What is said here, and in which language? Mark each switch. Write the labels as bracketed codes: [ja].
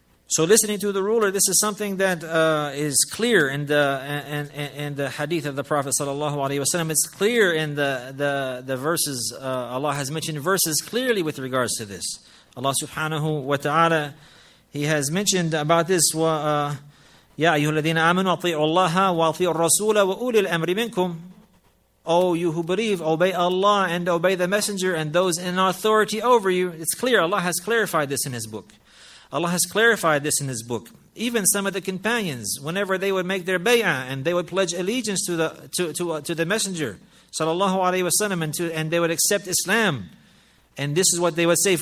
[en] So listening to the ruler, this is something that is clear in the hadith of the Prophet sallallahu alaihi wasallam. It's clear in the verses. Allah has mentioned verses clearly with regards to this. [ar] Allah subhanahu wa ta'ala, [en] He has mentioned about this, [ar] يَا أَيُّهُ الَّذِينَ آمَنُوا أَطِيعُوا اللَّهَ وَأَطِيعُوا الرَّسُولَ وَأُولِي الْأَمْرِ مِنْكُمْ. [en] O you who believe, obey Allah and obey the Messenger and those in authority over you. It's clear, Allah has clarified this in His book. Allah has clarified this in His book. Even some of the companions, whenever they would make their bay'ah and they would pledge allegiance to the Messenger, sallallahu alayhi wa sallam, and they would accept Islam. And this is what they would say.